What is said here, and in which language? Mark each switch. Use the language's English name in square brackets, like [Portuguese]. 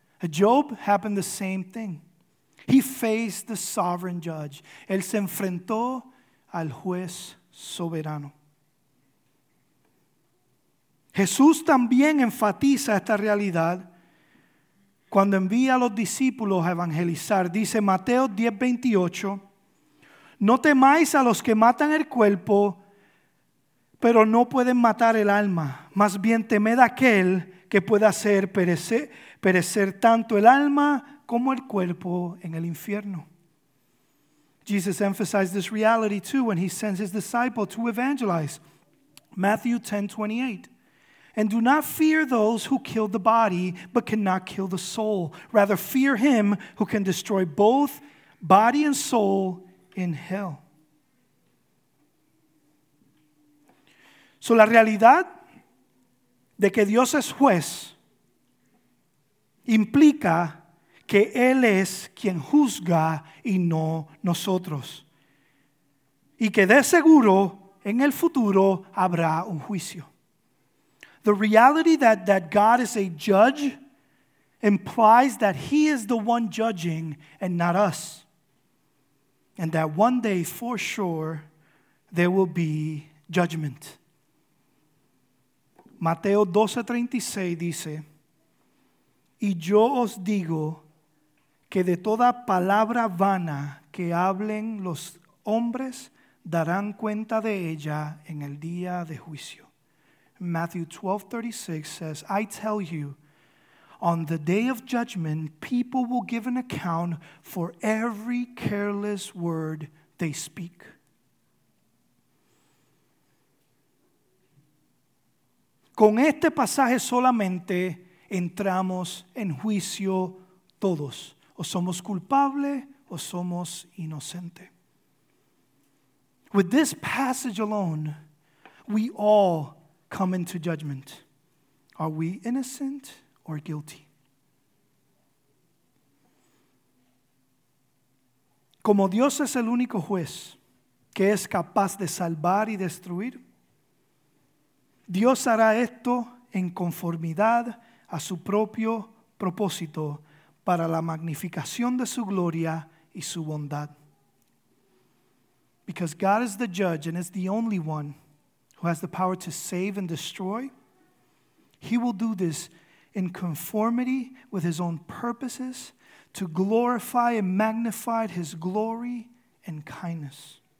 [English] A Job happened the same thing. He faced the sovereign judge. [Spanish] Él se enfrentó al juez soberano. Jesús también enfatiza esta realidad cuando envía a los discípulos a evangelizar. Dice Mateo 10:28, no temáis a los que matan el cuerpo, pero no pueden matar el alma. Más bien temed a aquel que pueda hacer perecer tanto el alma como el cuerpo en el infierno. [English] Jesus emphasized this reality too when he sends his disciple to evangelize. Matthew 10:28. And do not fear those who kill the body, but cannot kill the soul. Rather fear him who can destroy both body and soul in hell. [Spanish] So la realidad de que Dios es juez implica que Él es quien juzga y no nosotros. Y que de seguro en el futuro habrá un juicio. [English] The reality that God is a judge implies that he is the one judging and not us. And that one day, for sure, there will be judgment. [Spanish] Mateo 12:36 dice, y yo os digo que de toda palabra vana que hablen los hombres darán cuenta de ella en el día de juicio. [English] Matthew 12:36 says, I tell you, on the day of judgment, people will give an account for every careless word they speak. [Spanish] Con este pasaje solamente entramos en juicio todos. O somos culpables o somos inocentes. [English] With this passage alone, we all come into judgment. Are we innocent or guilty? [Spanish] Como Dios es el único juez que es capaz de salvar y destruir, Dios hará esto en conformidad a su propio propósito para la magnificación de su gloria y su bondad. [English] Because God is the judge and is the only one who has the power to save and destroy, he will do this in conformity with his own purposes to glorify and magnify his glory and kindness.